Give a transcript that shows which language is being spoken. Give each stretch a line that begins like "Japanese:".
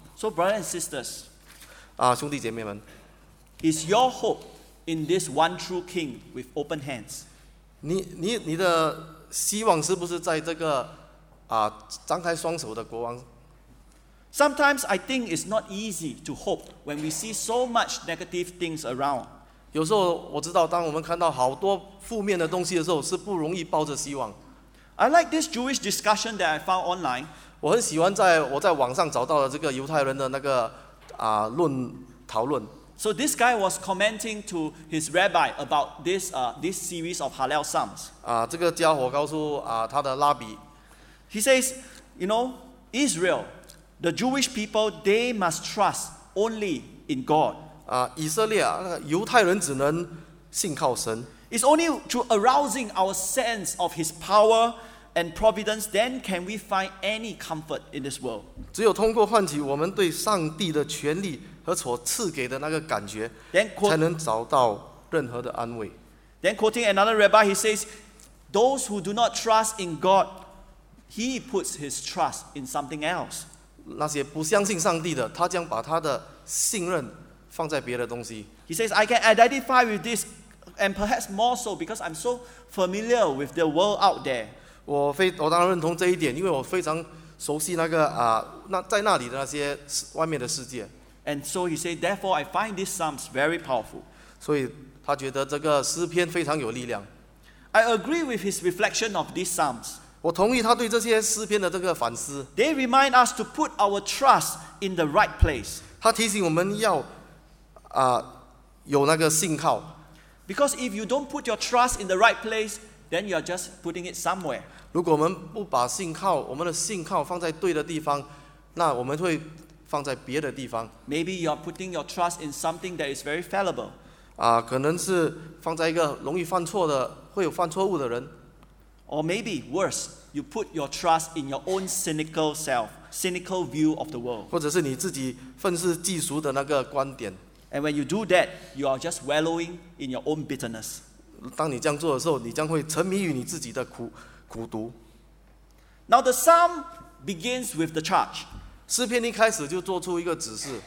English: So, brothers and sisters,
Chinese: 兄弟姐妹们
English: is your hope in this one true King with open hands?
Chinese: 你的希望是不是在这个张开双手的国王？
English: Sometimes I think it's not easy to hope when we see so much negative things around.
Chinese: 有时候我知道，当我们看到好多负面的东西的时候，是不容易抱着希望。
English: I like this Jewish discussion that I found online.
Chinese: 我很喜欢在我在网上找到的这个犹太人的那个啊论讨论。
English: So this guy was commenting to his rabbi about this this series of Hallel Psalms.
Chinese: 啊，这个家伙告诉啊他的拉比。
English: He says, you know, Israel, the Jewish people, they must trust only in God.
Chinese: 啊，以色列啊，犹太人只能信靠神。
English: It's only through arousing our sense of His power and providence, then can we find any comfort in this world.
Chinese: 只有通过唤起我们对上帝的权力和所赐给的那个感觉，才能找到任何的安慰。
English: Then quoting another rabbi, he says, "Those who do not trust in God, he puts his trust in something else."
Chinese: 那些不相信上帝的，他将把他的信任放在别的东西。
English: He says, "I can identify with this." And perhaps more so because I'm so familiar with the world out there.
Chinese: 我当然认同这一点，因为我非常熟悉那个啊，那在那里的那些外面的世界。
English: And so he said, therefore, I find these psalms very powerful.
Chinese: 所以他觉得这个诗篇非常有力量。
English: I agree with his reflection of these psalms.
Chinese: 我同意他对这些诗篇的这个反思。
English: They remind us to put our trust in the right place.
Chinese: 他提醒我们要啊有那个信靠。
English: Because if you don't put your trust in the right place, then you are just putting it somewhere.
Chinese: 如果我们不把信靠，我们的信靠放在对的地方，那我们会放在别的地方。
English: Maybe you are putting your trust in something that is very fallible.
Chinese: 啊，可能是放在一个容易犯错的，会有犯错误的人。
English: Or maybe worse, you put your trust in your own cynical self, cynical view of the world.
Chinese: 或者是你自己愤世嫉俗的那个观点。
English: And when you do that, you are just wallowing in your own bitterness.
Chinese: 当你这样做的时候，你将会沉迷于你自己的苦毒。
English: Now the psalm begins with the charge.
Chinese: 诗篇一开始就做出一个指示。